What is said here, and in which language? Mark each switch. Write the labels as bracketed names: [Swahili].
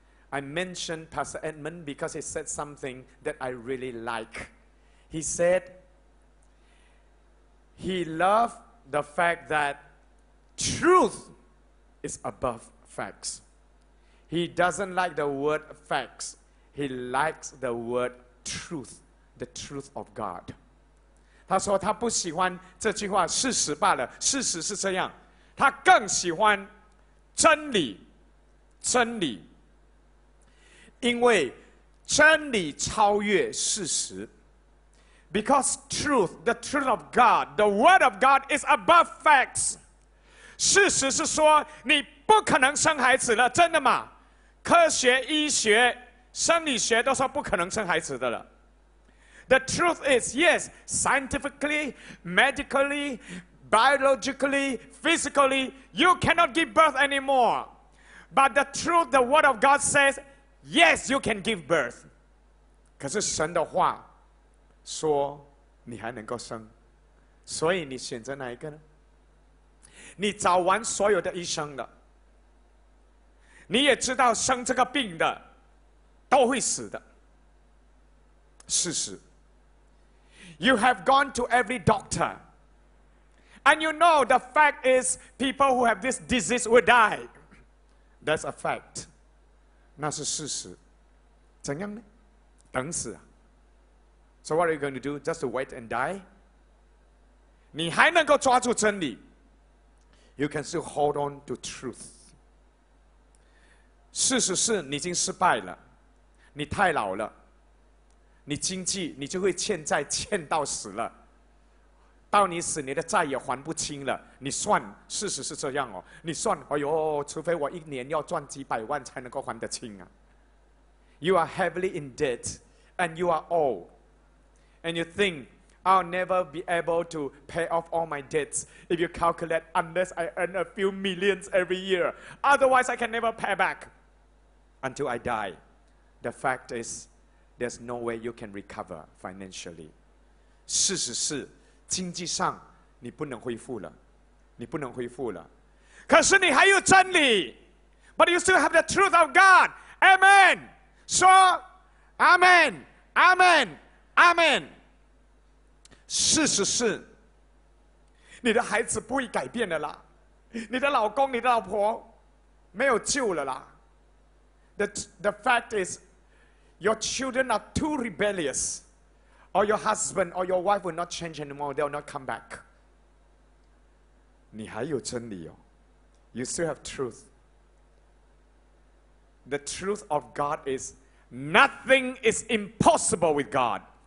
[English] I mentioned Pastor Edmund because he said something that I really like. He said. He loved the fact that truth is above facts. He doesn't like the word facts. He likes the word truth, the truth of God. [Chinese] 他说他不喜欢这句话，事实罢了，事实是这样。他更喜欢真理，真理。因为真理超越事实。 [English] Because truth, the truth of God, the word of God is above facts. [Chinese] 事实是说你不可能生孩子了，真的吗？科学、医学、生理学都说不可能生孩子的了。 [English] The truth is, yes, scientifically, medically, biologically, physically, you cannot give birth anymore. But the truth, the word of God says, yes, you can give birth. [Chinese] 可是神的话说你还能够生，所以你选择哪一个呢？你找完所有的医生了，你也知道生这个病的都会死的事实。 [English] You have gone to every doctor, and you know the fact is people who have this disease will die. That's a fact. [Chinese] 那是事实。怎样呢？等死啊。 [English] So what are you going to do? Just to wait and die? [Chinese] 你还能够抓住真理。 [English] You can still hold on to truth. [Chinese] 事实是你已经失败了，你太老了，你经济你就会欠债欠到死了，到你死你的债也还不清了。你算，事实是这样哦，你算，哎呦，除非我一年要赚几百万才能够还得清啊。 [English] You are heavily in debt, and you are old, and you think. I'll never be able to pay off all my debts if you calculate unless I earn a few millions every year. Otherwise, I can never pay back until I die. The fact is, there's no way you can recover financially. [Chinese] 事实是，经济上你不能恢复了，你不能恢复了。可是你还有真理， [English] but you still have the truth of God. Amen. 说 Amen, Amen, Amen. [Chinese] 事实是你的孩子不会改变了啦，你的老公你的老婆没有救了啦。 [English] The fact is your children are too rebellious, or your husband or your wife will not change anymore, they will not come back. [Chinese] 你还有真理哦， [English] You still have truth. The truth of God is nothing is impossible with God.